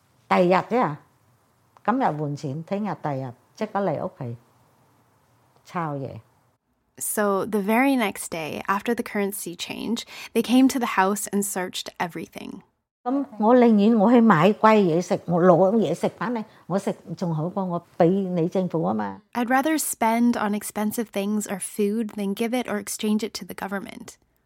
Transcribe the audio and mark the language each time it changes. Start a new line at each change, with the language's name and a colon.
Chinese: 第二天,今天換錢,明天第二天,立刻來家裡,抄東西。
English: So the very next day, after the currency change, they came to the house and searched everything.
Chinese: 我寧願我去買貴東西吃,我拿東西吃回來,我吃更好過我給你政府嘛。
English: I'd rather spend on expensive things or food than give it or exchange it to the government.